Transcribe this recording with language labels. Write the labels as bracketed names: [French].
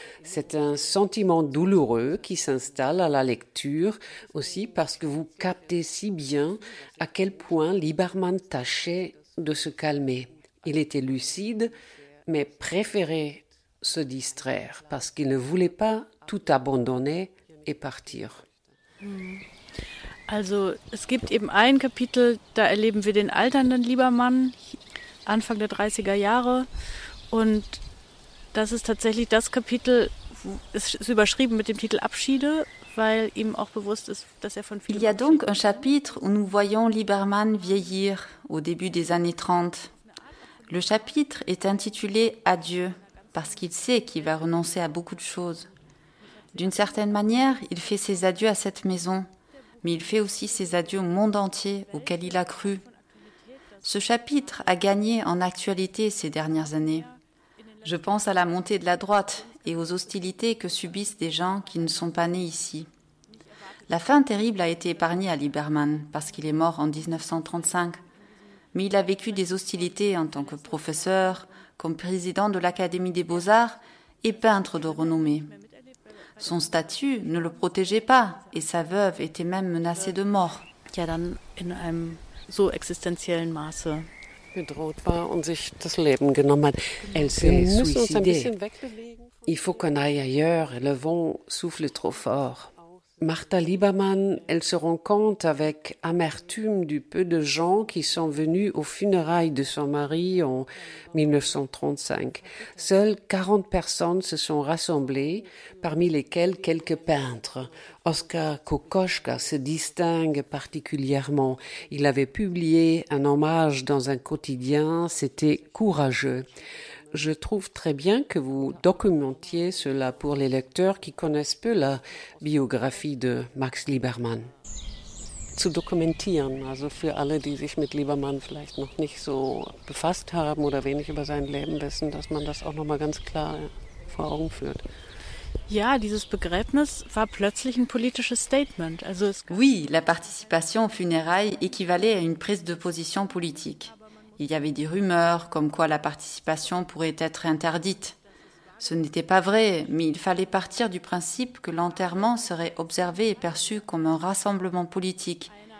[French] C'est un sentiment douloureux qui s'installe à la lecture, aussi parce que vous captez si bien à quel point Liebermann tâchait de se calmer. Il était lucide, mais préférait se distraire parce qu'il ne voulait pas tout abandonner et partir. [German] Also, es gibt eben ein Kapitel, da erleben wir den alternden Liebermann Anfang der 30er Jahre und das ist tatsächlich das Kapitel, es ist überschrieben mit dem Titel Abschiede, weil ihm auch bewusst ist, dass er von vielen. [French] Il y a donc un chapitre où nous voyons Liebermann vieillir au début des années 30. Le chapitre est intitulé « Adieu » parce qu'il sait qu'il va renoncer à beaucoup de choses. D'une certaine manière, il fait ses adieux à cette maison, mais il fait aussi ses adieux au monde entier auquel il a cru. Ce chapitre a gagné en actualité ces dernières années. Je pense à la montée de la droite et aux hostilités que subissent des gens qui ne sont pas nés ici. La fin terrible a été épargnée à Liebermann parce qu'il est mort en 1935. Mais il a vécu des hostilités en tant que professeur, comme président de l'Académie des Beaux-Arts et peintre de renommée. Son statut ne le protégeait pas et sa veuve était même menacée de mort. [German] Ja, dann in einem so existenziellen Maße bedroht war und sich das Leben genommen hat. [French] Elle s'est suicidée. Il faut qu'on aille ailleurs, le vent souffle trop fort. Martha Liebermann, elle se rend compte avec amertume du peu de gens qui sont venus aux funérailles de son mari en 1935. Seules 40 personnes se sont rassemblées, parmi lesquelles quelques peintres. Oskar Kokoschka se distingue particulièrement. Il avait publié un hommage dans un quotidien, c'était courageux. Je trouve très bien que vous documentiez cela pour les lecteurs qui connaissent peu la biographie de Max Liebermann. [German] Zu dokumentieren, also für alle, die sich mit Liebermann vielleicht noch nicht so befasst haben oder wenig über sein Leben wissen, dass man das auch noch mal ganz klar vor Augen führt. Ja, dieses Begräbnis war plötzlich ein politisches Statement. Also es [French] oui, la participation aux funérailles équivalait à une prise de position politique. Il y avait des rumeurs comme quoi la participation pourrait être interdite. Ce n'était pas vrai, mais il fallait partir du principe que l'enterrement serait observé et perçu comme un rassemblement politique.